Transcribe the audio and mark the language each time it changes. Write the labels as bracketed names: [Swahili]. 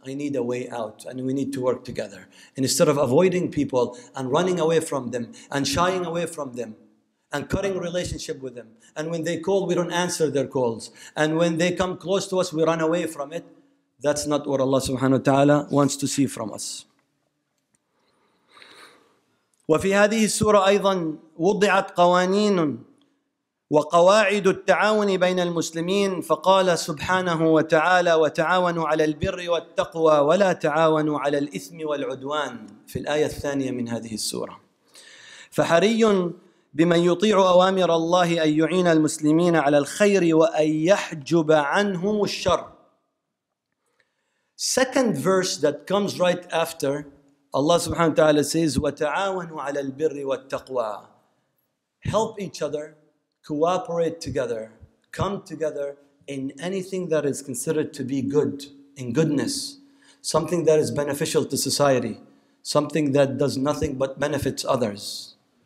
[English] I need a way out and we need to work together. And instead of avoiding people and running away from them and shying away from them and cutting relationship with them, and when they call, we don't answer their calls, and when they come close to us, we run away from it. That's not what Allah subhanahu wa ta'ala wants to see from us. [Arabic] وفي هذه السورة أيضا وضعت قوانين وقواعد التعاون بين المسلمين فقال سبحانه وتعالى وتعاونوا على البر والتقوى ولا تعاونوا على الإثم والعدوان في الآية الثانية من هذه السورة فحري بمن يطيع أوامر الله أن يعين المسلمين على الخير وأن يحجب عنهم الشر. [English] Second verse that comes right after, Allah subhanahu wa ta'ala says, [Arabic] وَتَعَاوَنُوا عَلَى الْبِرِّ وَالتَّقْوَىٰ. [English] Help each other, cooperate together, come together in anything that is considered to be good, in goodness, something that is beneficial to society, something that does nothing but benefits others.